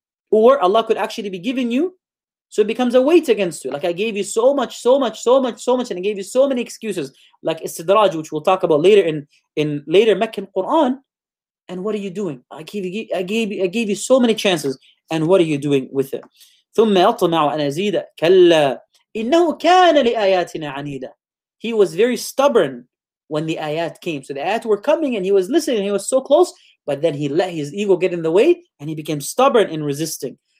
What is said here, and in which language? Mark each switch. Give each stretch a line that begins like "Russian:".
English: Or Allah could actually be giving you, so it becomes a weight against you. Like, I gave you so much, so much, so much, so much, and I gave you so many excuses. Like istidraj, which we'll talk about later in later Meccan Quran. And what are you doing? I gave you so many chances. And what are you doing with it?
Arabic: ثُمَّ يَطْمَعُ أَنْ أَزِيدَ كَلَّا إِنَّهُ كَانَ لِآيَاتِنَا عَنِيدًا.
English: He was very stubborn when the ayat came. So the ayat were coming and he was listening and he was so close. But then he let his ego get in the way and he became stubborn in resisting.